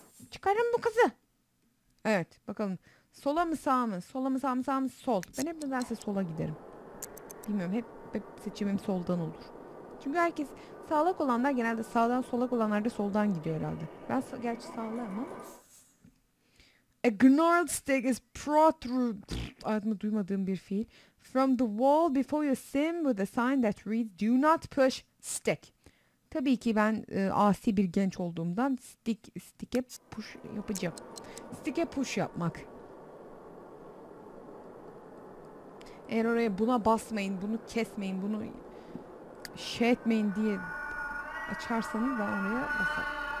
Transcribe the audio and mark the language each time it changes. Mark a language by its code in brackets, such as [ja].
[tr] Çıkarın bu kızı. Evet, bakalım. Sola mı sağa mı? Sola mı sağa mı? Sağa mı? Sol. Ben hep nedense sola giderim. Bilmiyorum, hep seçimim soldan olur. Çünkü herkes sağlak olanlar genelde sağdan, solak olanlar da soldan gidiyor herhalde. Ben gerçi sağlığım ama. [en] A gnarled stick is protrude. [tr] Hayatımda duymadığım bir fiil. [en] From the wall before your sim with a sign that reads do not push stick. [tr] Tabii ki ben asi bir genç olduğumdan stick'e push yapacağım. Stick'e push yapmak. Eğer oraya buna basmayın, bunu kesmeyin, bunu şey etmeyin diye açarsanız ben oraya basarım.